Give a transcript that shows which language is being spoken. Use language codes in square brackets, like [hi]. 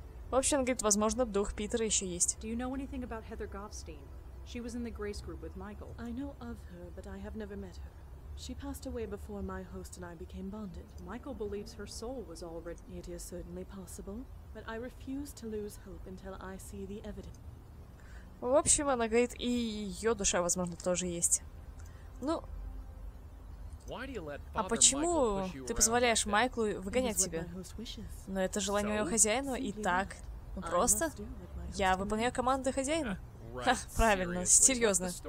[ru] В общем, он говорит, возможно, дух Питера еще есть. [en] Do you know anything about Heather Goffstein? She was in the Grace Group with Michael. I know of her, but I have never met her. She passed away before my host and I became bonded. Michael believes her soul was already... It is certainly possible, but I refuse to lose hope until I see the evidence. [ru] В общем, она говорит, и ее душа, возможно, тоже есть. Ну... А почему ты позволяешь Майклу выгонять тебя? Но это желание моего хозяина, и так... Ну просто... Я выполняю команды хозяина. Ха, правильно, серьезно.